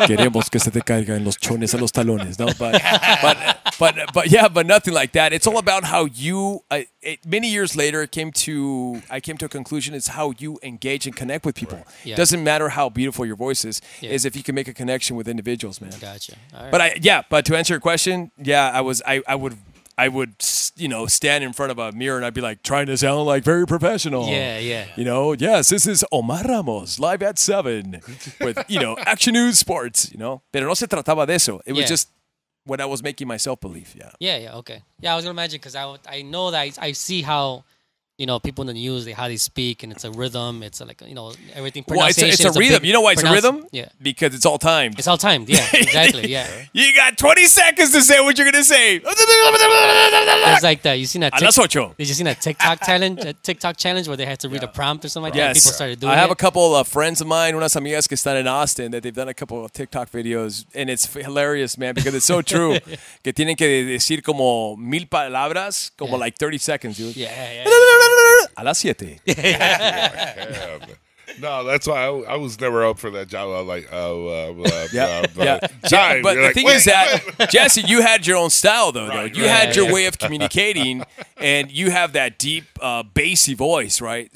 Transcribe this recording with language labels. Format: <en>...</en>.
<es>Queremos que se te caiga en los chones a los talones.</es> <en>No, but nothing like that. It's all about how you, many years later, I came to a conclusion. It's how you engage and connect with people. Right. Yeah. Doesn't matter how beautiful your voice is if you can make a connection with individuals, man. Gotcha. All right. But to answer your question, yeah, I would, you know, stand in front of a mirror and I'd be like trying to sound like very professional. Yeah. You know, yes, this is Omar Ramos live at 7 with, you know, Action News Sports, you know.</en> <es>Pero no se trataba de eso.</es> <en>It was just what I was making myself believe, yeah. Yeah, okay. Yeah, I was going to imagine because I know that I see how you know, people in the news, they, how they speak, and it's a rhythm. It's a, like, you know, everything. Well, it's a rhythm. You know why it's a rhythm? Yeah. Because it's all timed. It's all timed. Yeah, exactly. Yeah. You got 20 seconds to say what you're going to say. It's like that. You seen that? Did you see that TikTok challenge? TikTok challenge where they had to read a prompt or something like that? Yes. People started doing it. I have a couple of friends of mine,</en> <es>unas amigas que están en Austin,</es> <en>that they've done a couple of TikTok videos, and it's hilarious, man, because it's so true.</en> <es>Que tienen que decir como mil palabras, como</es> <en>like 30 seconds, dude.</en> <es>Yeah. A las siete.</es> <en>No, that's why I was never up for that job. I'm like, But the thing is that, Jesse, you had your own style, though. You had your way of communicating, and you have that deep, bassy voice, right?</en>